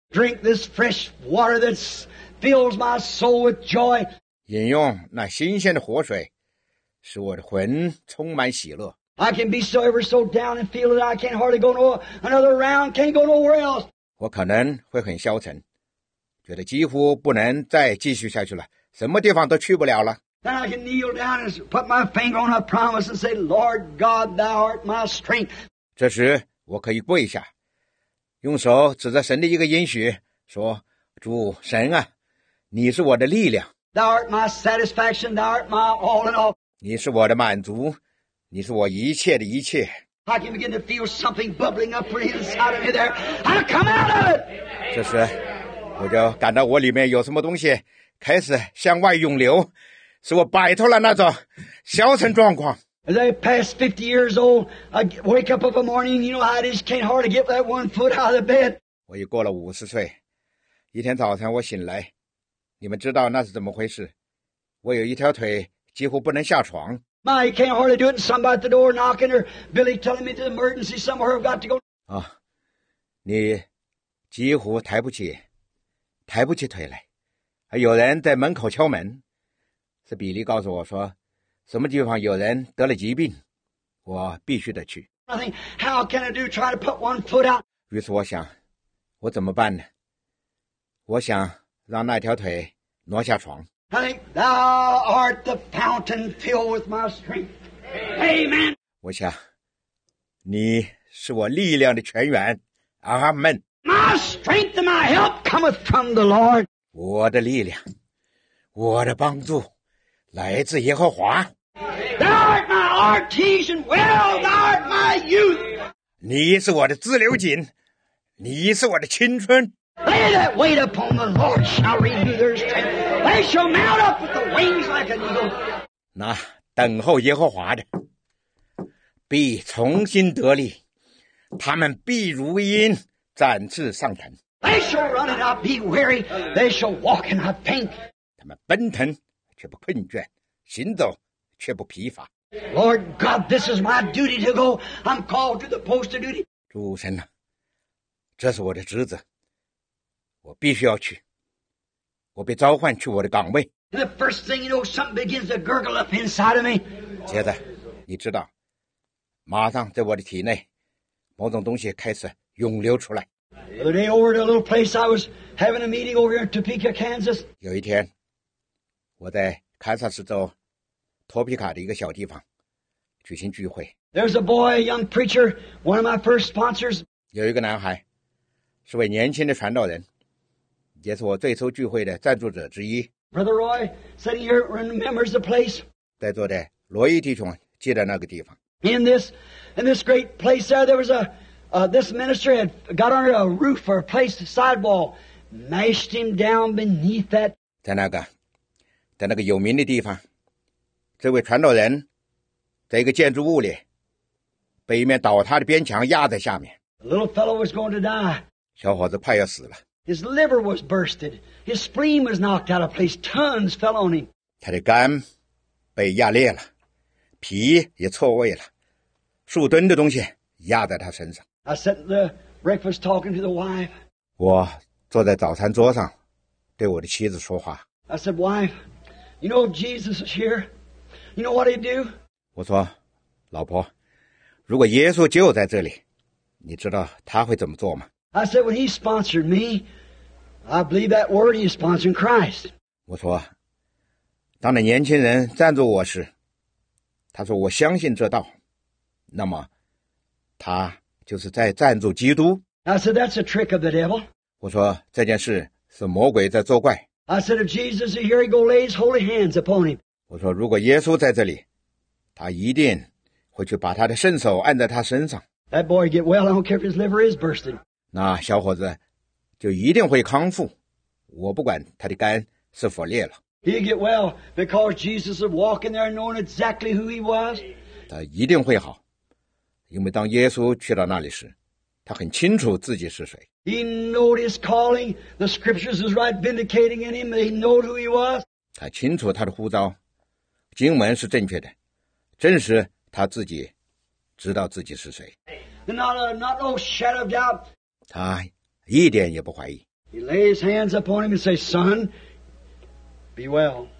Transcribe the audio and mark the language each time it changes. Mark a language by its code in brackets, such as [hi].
[en] Drink this fresh water that fills my soul with joy. [zh] 饮用那新鲜的活水，使我的魂充满喜乐。 [en] I can be so ever so down and feel it. I can't hardly go no another round. Can't go nowhere else. [zh] 我可能会很消沉，觉得几乎不能再继续下去了，什么地方都去不了了。 [en] Then I can kneel down and put my finger on a promise and say, Lord God, Thou art my strength. [zh] 这时我可以跪下，用手指着神的一个应许，说：主神啊，你是我的力量。 [en] Thou art my satisfaction. Thou art my all in all. [zh] 你是我的满足。你是我一切的一切。 [en] I can begin to feel something bubbling up inside of me there. I'll come out of it. [zh] 这时，我就感到我里面有什么东西开始向外涌流，使我摆脱了那种消沉状况。 [en] As I pass 50 years old, I wake up of a morning, you know, I just can't hardly get that one foot out of the bed. [zh] 我已过了50岁，一天早晨我醒来，你们知道那是怎么回事？我有一条腿几乎不能下床。 [en] My, he can't hardly do it. And somebody at the door knocking, or Billy telling me to the emergency somewhere. I've got to go. [zh] 啊，你几乎抬不起腿来。还有人在门口敲门。是比利告诉我说，什么地方有人得了疾病，我必须得去。 [en] I think, how can I do? Try to put one foot out. [zh] 于是我想，我怎么办呢？我想让那条腿挪下床。 [en] I think thou art the fountain filled with my strength. Amen. [zh] 我想，你是我力量的泉源。 [en] Amen. My strength and my help cometh from the Lord. [zh] 我的力量，我的帮助，来自耶和华。 [en] Thou art my artesian well. Thou art my youth. [zh] 你是我的自流井，你是我的青春。 [en] They that wait upon the Lord shall renew their strength. They shall mount up with the wings like an eagle. [zh] 那等候耶和华的必重新得力，他们必如鹰展翅上腾。 [en] They shall run and not be weary. They shall walk and not faint. [zh] 他们奔腾却不困倦，行走却不疲乏。 [en] Lord God, this is my duty to go. I'm called to the post of duty. [zh] 主神呐，这是我的职责。我必须要去，我被召唤去我的岗位。 [en] The first thing you know, something begins to gurgle up inside of me. [zh] 接着，你知道，马上在我的体内，某种东西开始涌流出来。 [en] The day over at a little place I was having a meeting over here in Topeka, Kansas. [zh] 有一天，我在堪萨斯州托皮卡的一个小地方举行聚会。 [en] There's a boy, a young preacher, one of my first sponsors. [zh] 有一个男孩，是位年轻的传道人。也是我最初聚会的赞助者之一。 [en] Brother Roy, sitting here remembers the place. [zh] 在座的罗伊弟兄记得那个地方。 [en] In this great place there, there was this minister had got under a roof or a place, a sidewall, mashed him down beneath that. [zh] 在那个有名的地方，这位传道人在一个建筑物里被一面倒塌的边墙压在下面。 [en] A little fellow was going to die. [zh] 小伙子快要死了。 [en] His liver was bursted. His spleen was knocked out of place. Tons fell on him. [zh] 他的肝被压裂了，脾也错位了，数吨的东西压在他身上。 [en] I sat at the breakfast talking to the wife. [zh] 我坐在早餐桌上，对我的妻子说话。 [en] I said, wife, you know if Jesus is here, you know what he'd do? [zh] 我说，老婆，如果耶稣就在这里，你知道他会怎么做吗？ [en] I said, when he sponsored me, I believe that word he's sponsoring Christ. [zh] 我说，当那年轻人赞助我时，他说我相信这道，那么他就是在赞助基督。 [en] I said, that's a trick of the devil. [zh] 我说，这件事是魔鬼在作怪。 [en] I said, if Jesus is here, he go lay his holy hands upon him. [zh] 我说，如果耶稣在这里，他一定会去把他的圣手按在他身上。 [en] That boy get well, I don't care if his liver is bursting. [zh] 那小伙子就一定会康复，我不管他的肝是否裂了。 [en] He get well because Jesus would walk in there knowing exactly who he was. [zh] 他一定会好，因为当耶稣去到那里时，他很清楚自己是谁。 [en] He knew his calling. The scriptures is right vindicating in him. He knew who he was. [zh] 他清楚他的呼召，经文是正确的，证实他自己知道自己是谁。 [en] Not no shadow of doubt. [zh] 他一点也不怀疑。 [en] He lay his hands upon him and say, "Son, be well.